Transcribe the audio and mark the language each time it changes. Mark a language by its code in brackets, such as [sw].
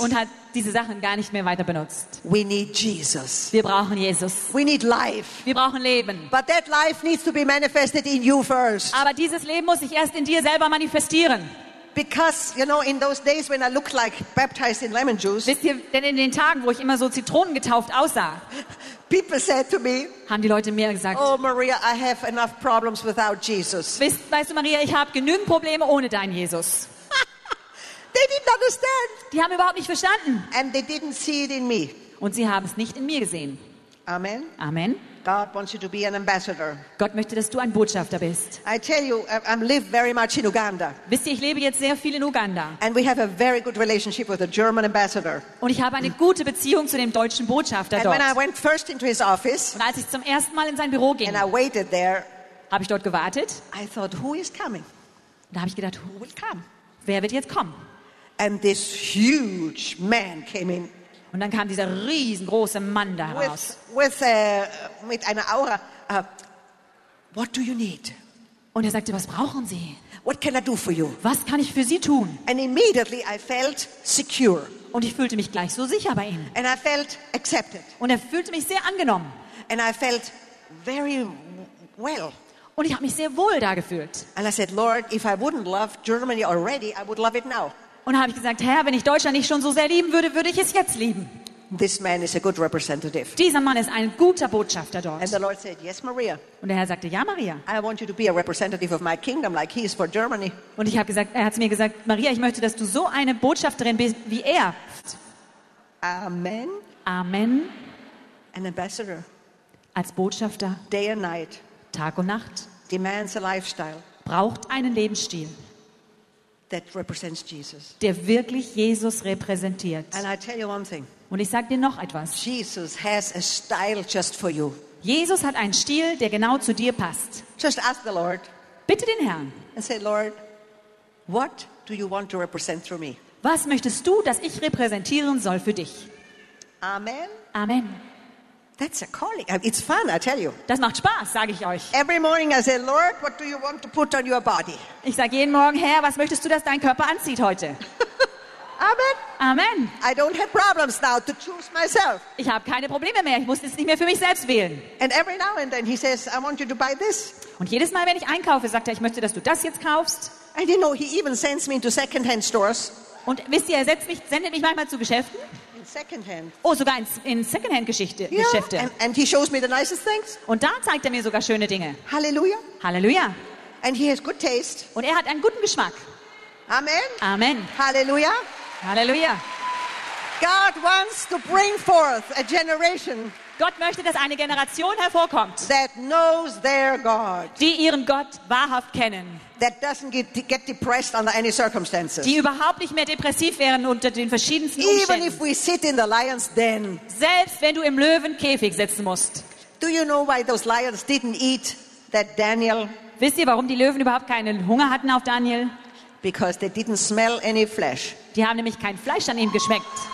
[de] Und hat diese Sachen gar nicht mehr weiter benutzt. [en] We need Jesus. [de] Wir brauchen Jesus. [en] We need life. [de] Wir brauchen Leben. [en] But that life needs to be manifested in you first. [de] Aber dieses Leben muss sich erst in dir selber manifestieren. [en] Because you know, in those days when I looked like baptized in lemon juice. [de] Wisst ihr, denn in den Tagen, wo ich immer so zitronengetauft aussah. [en] People said to me, [de] haben die Leute mir gesagt, [en] oh Maria, I have enough problems without Jesus. [de] Weißt du, Maria, ich habe genügend Probleme ohne deinen Jesus. [en] They didn't understand. [de] Die haben überhaupt nicht verstanden. [en] And they didn't see it in me. [de] Und sie haben es nicht in mir gesehen. [en] Amen. [de] Amen. [en] God wants you to be an ambassador. [de] Gott möchte, dass du ein Botschafter bist. [en] I tell you, I live very much in Uganda. [de] Wisst ihr, ich lebe jetzt sehr viel in Uganda. [en] And we have a very good relationship with the German ambassador. [de] Und ich habe eine gute Beziehung zu dem deutschen Botschafter dort. [en] And when I went first into his office, [de] und als ich zum ersten Mal in sein Büro ging, [en] and I waited there, [de] habe ich dort gewartet. [en] I thought, who is coming? [de] Und da habe ich gedacht, [en] who will come? [de] Wer wird jetzt kommen? [en] And this huge man came in. [de] Und dann kam dieser riesengroße Mann da heraus. Mit einer Aura. [en] What do you need? [de] Und er sagte, was brauchen Sie? [en] What can I do for you? [de] Was kann ich für Sie tun? [en] And immediately I felt secure. [de] Und ich fühlte mich gleich so sicher bei ihm. [en] And I felt accepted. [de] Und er fühlte mich sehr angenommen. [en] And I felt very well. [de] Und ich habe mich sehr wohl da gefühlt. [en] And I said, Lord, if I wouldn't love Germany already, I would love it now. [de] Und habe ich gesagt, Herr, wenn ich Deutschland nicht schon so sehr lieben würde, würde ich es jetzt lieben. [en] This man is a good representative. [de] Dieser Mann ist ein guter Botschafter dort. [en] And the Lord said, yes, Maria. [de] Und der Herr sagte, ja, Maria. [en] I want you to be a representative of my kingdom, like he is for Germany. [de] Und ich habe gesagt, er hat mir gesagt, Maria, ich möchte, dass du so eine Botschafterin bist wie er. [en] Amen. [de] Amen. [en] An ambassador. [de] Als Botschafter. [en] Day and night. [de] Tag und Nacht. [en] Demands a lifestyle. [de] Braucht einen Lebensstil. [en] That represents Jesus. [de] Der wirklich Jesus repräsentiert. [en] And I tell you one thing. [de] Und ich sage dir noch etwas. [en] Jesus has a style just for you. [de] Jesus hat einen Stil, der genau zu dir passt. [en] Just ask the Lord. [de] Bitte den Herrn. [en] And say, Lord, what do you want to represent through me? [de] Was möchtest du, dass ich repräsentieren soll für dich? [en] Amen. [de] Amen. [en] That's a calling. It's fun, I tell you. [de] Das macht Spaß, sage ich euch. [en] Every morning I say, Lord, what do you want to put on your body? [de] Ich sage jeden Morgen, Herr, was möchtest du, dass dein Körper anzieht heute? [en] Amen. [de] Amen. [en] I don't have problems now to choose myself. [de] Ich habe keine Probleme mehr. Ich muss jetzt nicht mehr für mich selbst wählen. [en] And every now and then he says, I want you to buy this. [de] Und jedes Mal, wenn ich einkaufe, sagt er, ich möchte, dass du das jetzt kaufst. [en] And you know, he even sends me into second-hand stores. [de] Und wisst ihr, er sendet mich manchmal zu Geschäften. [en] Secondhand. [de] Oh, sogar in Secondhand-Geschichte, yeah. Geschäfte. [en] And he shows me the nicest things. [de] Und da zeigt er mir sogar schöne Dinge. [en] Halleluja. [de] Halleluja. [en] And he has good taste. [de] Und er hat einen guten Geschmack. [en] Amen. [de] Amen. [en] Hallelujah. [de] Hallelujah. [en] God wants to bring forth a generation. [de] Gott möchte, dass eine Generation hervorkommt. [en] That knows their God. [de] Die ihren Gott wahrhaft kennen. [en] That doesn't get depressed under any circumstances. [de] Die überhaupt nicht mehr depressiv wären unter den verschiedensten Umständen. [en] Even if we sit in the lion's den. [de] Selbst wenn du im Löwenkäfig sitzen musst. [en] Do you know why those lions didn't eat that Daniel? [de] Wisst ihr, warum die Löwen überhaupt keinen Hunger hatten auf Daniel? [en] Because they didn't smell any flesh. [de] Die haben nämlich kein Fleisch an ihm geschmeckt.